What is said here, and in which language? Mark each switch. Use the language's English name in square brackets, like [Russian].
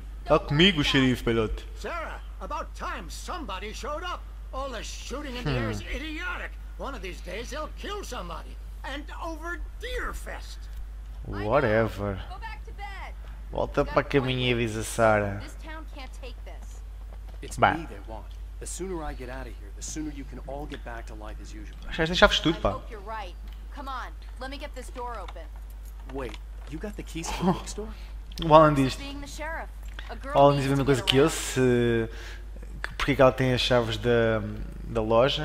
[Portuguese] Está comigo o xerife, pelote. Sarah, [English] about time somebody showed up. All the shooting in the air is idiotic. One of these days they'll kill somebody. And over Deerfest. Whatever. [Portuguese] Volta para a caminha, diz a Sarah. [English] This town can't take this. It's me they want. The sooner I get out of here, the sooner you can all get back to life as usual. [Portuguese] Já deixaste tudo, pá. [English] Come on, let me get this door open. Wait, you got the keys to the bookstore? [Portuguese] O Alan diz, a mesma coisa que eu, se porque é que ela tem as chaves da loja.